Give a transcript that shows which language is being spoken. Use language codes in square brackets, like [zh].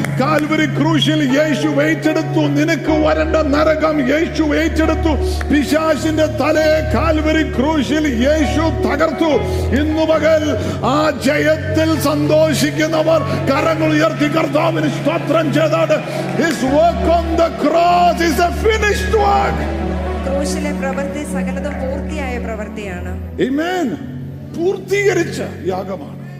[ml] Calvary ക്രൂശിൽ യേശു ഏറ്റെടുത്തു നിനക്ക് വരണ്ട നരകം. യേശു ഏറ്റെടുത്തു പിശാചിന്റെ തലയെ. കാൽവരി ക്രൂശിൽ യേശു തകർത്തു. ഇന്നു മകൾ ആ ജയത്തിൽ സന്തോഷിക്കുന്നവർ കരങ്ങൾ ഉയർത്തി കർത്താവിന് സ്തോത്രം ചെയ്താട്. [en] His work on the cross is a finished work. [ml] ക്രൂശിലെ പ്രവൃത്തി സകലതും പൂർത്തിയായ പ്രവൃത്തിയാണ്. ആമേൻ. പൂർത്തീകരിച്ച യാഗമാണ്.